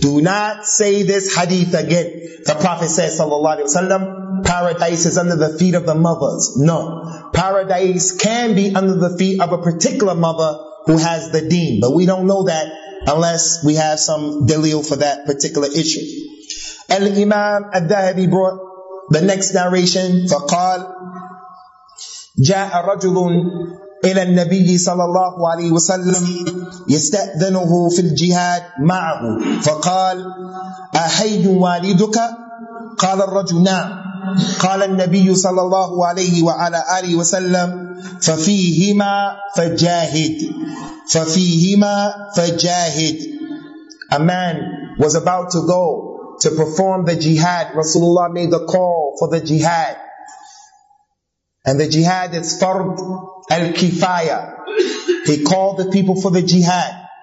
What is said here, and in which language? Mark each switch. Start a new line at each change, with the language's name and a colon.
English: Do not say this hadith again. The Prophet says sallallahu alaihi wasallam, paradise is under the feet of the mothers. No. Paradise can be under the feet of a particular mother who has the deen. But we don't know that unless we have some dalil for that particular issue. Al-Imam al-Dhahabi brought the next narration.
Arabic: فقال جاء رجل إلى النبي صلى الله عليه وسلم يستأذنه في الجهاد معه فقال أهي والدك؟ قال الرجل نعم قال النبي صلى الله عليه وعلى آله وسلم ففيهما فجاهد ففيهما فجاهد.
English: A man was about to go to perform the jihad. Rasulullah made the call for the jihad. And the jihad is fard al-kifaya. He called the people for the jihad.